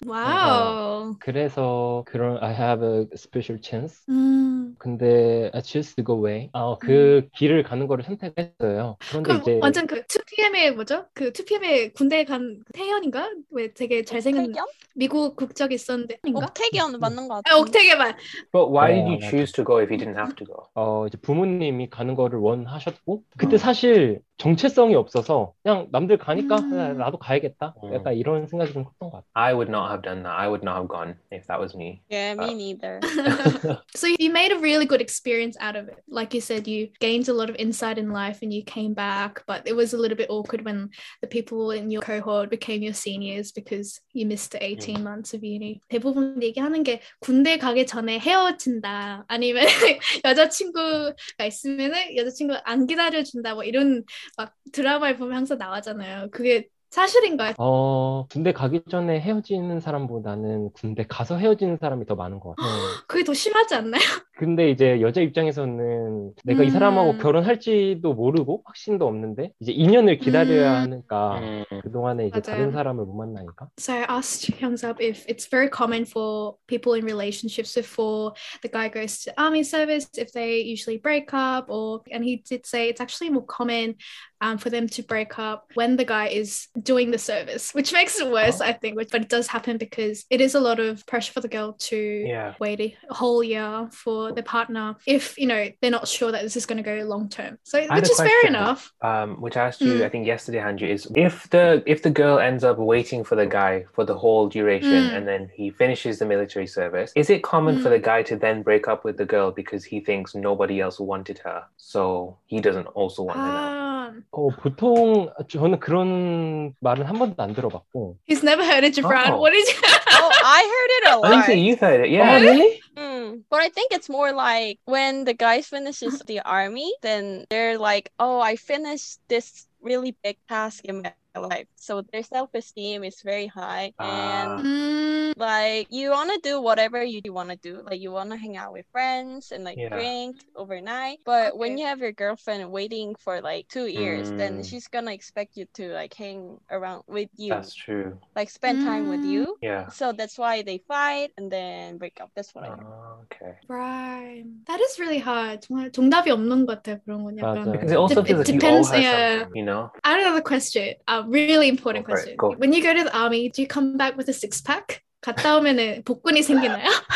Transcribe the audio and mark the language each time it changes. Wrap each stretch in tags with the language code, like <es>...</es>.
<ko>와우. 그래서 그런</ko> <en>I have a special chance.</en> <ko>근데</ko> <en>I choose to go away.</en> <ko>그 길을 가는 거를 선택했어요. 그런데 이제 완전 그 2PM의 뭐죠? 그 2PM의 군대에 간 태연인가? 왜 되게 잘생긴 태연? 미국 국적이 있었는데 옥태연 맞는 거 같아요. 옥태연.</ko> <en>But why did you choose to go if you didn't have to go?</en> <ko>이제 부모님이 가는 거를 원하셨고 그때 사실 정체성이 없어서 그냥 남들 가니까 나도 가야겠다. 약간 이런 생각이 좀 컸던 것 같아.</ko> <en>I would not have done that. I would not have gone if that was me. Yeah, me neither. So you made a really good experience out of it. Like you said, you gained a lot of insight in life and you came back, but it was a little bit awkward when the people in your cohort became your seniors because you missed the 18 months of uni.</en> <ko>대부분 얘기하는 게 군대 가기 전에 헤어진다. 아니면 여자친구가 있으면 여자친구 안 기다려준다. 뭐 이런 막 드라마에 보면 항상 나오잖아요. 그게 사실인가요? 군대 가기 전에 헤어지는 사람보다는 군대 가서 헤어지는 사람이 더 많은 것 같아요. 그게 더 심하지 않나요? 근데 이제 여자 입장에서는 내가 이 사람하고 결혼할지도 모르고 확신도 없는데 이제 2년을 기다려야 하니까 그동안에 이제 맞아요. 다른 사람을 못 만나니까.</ko> <en>So I asked HyungSeop if it's very common for people in relationships before the guy goes to army service if they usually break up or and he did say it's actually more common for them to break up when the guy is doing the service, which makes it worse, I think. But it does happen because it is a lot of pressure for the girl to wait a whole year for their partner if, you know, they're not sure that this is going to go long term. So, which is fair enough. Which I asked you, I think yesterday, HanJoo, is if the girl ends up waiting for the guy for the whole duration and then he finishes the military service, is it common for the guy to then break up with the girl because he thinks nobody else wanted her? So he doesn't also want her now.</en> <ko>보통 저는 그런 말은 한 번도 안 들어봤고.</ko> <en>He's never heard it, Jibran. What is? I heard it a lot. I think you heard it. Yeah. Oh, really? But I think it's more like when the guy finishes the army, then they're like, "Oh, I finished this really big task in my life." So their self-esteem is very high, and like you want to do whatever you want to do. Like you want to hang out with friends and like drink overnight. But when you have your girlfriend waiting for like 2 years, then she's gonna expect you to like hang around with you. That's true. Like spend time with you. Yeah. So that's why they fight and then break up. That's what I heard. Okay. Right. That is really hard.</en> <ko>정말 정답이 없는 것 같아 그런 건 약간.</ko> <en>Because it also feels like depends, you all have something. You know. I have another question. Really important question. Right, when you go to the army, do you come back with a six pack?</en> <ko>갔다 오면은 복근이 생기나요?</ko>